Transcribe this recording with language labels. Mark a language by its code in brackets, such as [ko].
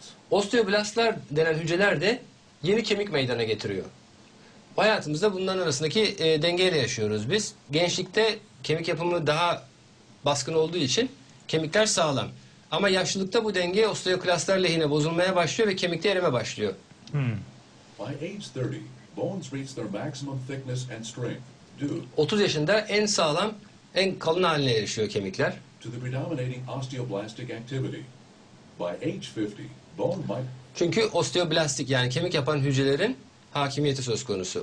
[tr] Osteoblastlar denen hücreler de yeni kemik meydana getiriyor. Hayatımızda bunların arasındaki dengeyle yaşıyoruz biz. Gençlikte kemik yapımı daha baskın olduğu için kemikler sağlam. Ama yaşlılıkta bu denge osteoklastlar lehine bozulmaya başlıyor ve kemikte erime başlıyor. [en] By age 30, bones reach their maximum thickness and strength. [tr] 30 yaşında en sağlam, en kalın haline erişiyor kemikler. [en] To the predominating osteoblastic activity. By age 50, bone might... [tr] Çünkü osteoblastik yani kemik yapan hücrelerin hakimiyeti söz konusu.